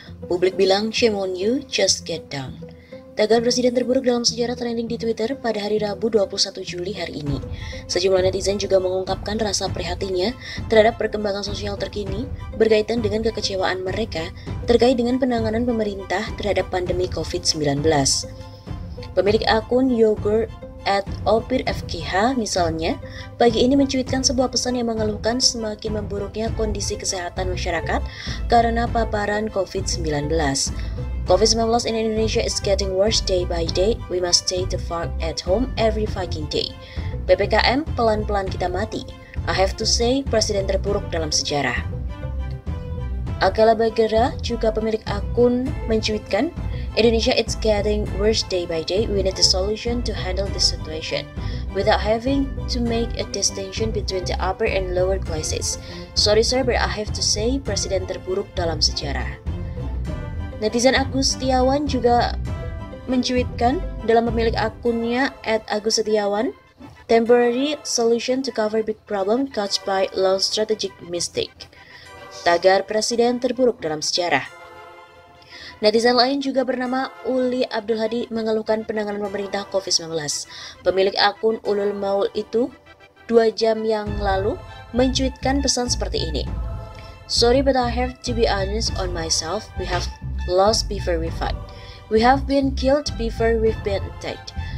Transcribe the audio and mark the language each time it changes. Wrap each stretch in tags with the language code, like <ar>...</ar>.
<id>Publik bilang,</id> <en>shame on you, just get down.</en> <id>Tagar presiden terburuk dalam sejarah trending di Twitter pada hari Rabu 21 Juli hari ini. Sejumlah netizen juga mengungkapkan rasa prihatinnya terhadap perkembangan sosial terkini berkaitan dengan kekecewaan mereka terkait dengan penanganan pemerintah terhadap pandemi COVID-19. Pemilik akun Yogurt at OpirFKH misalnya, pagi ini mencuitkan sebuah pesan yang mengeluhkan semakin memburuknya kondisi kesehatan masyarakat karena paparan COVID-19.</id> <en>COVID-19 in Indonesia is getting worse day by day, we must stay the fuck at home every fucking day.</en> <id>PPKM, pelan-pelan kita mati.</id> <en>I have to say,</en> <id>presiden terburuk dalam sejarah.</id> <en>Akala Bagera,</en> <id>juga pemilik akun, mencuitkan,</id> <en>Indonesia it's getting worse day by day, we need a solution to handle this situation without having to make a distinction between the upper and lower classes. Sorry sir, but I have to say,</en> <id>presiden terburuk dalam sejarah.</id> <en>Netizen Agus Setiawan</en> <id>juga mencuitkan dalam pemilik akunnya</id> <en>@agussetiawan, temporary solution to cover big problem caused by low strategic mistake.</en> <id>Tagar presiden terburuk dalam sejarah. Netizen lain juga bernama Uli Abdul Hadi mengeluhkan penanganan pemerintah COVID-19. Pemilik akun Ulul Maul itu 2 jam yang lalu mencuitkan pesan seperti ini.</id> <en>Sorry but I have to be honest on myself, we have lost before we fight. We have been killed before we've been attacked.</en>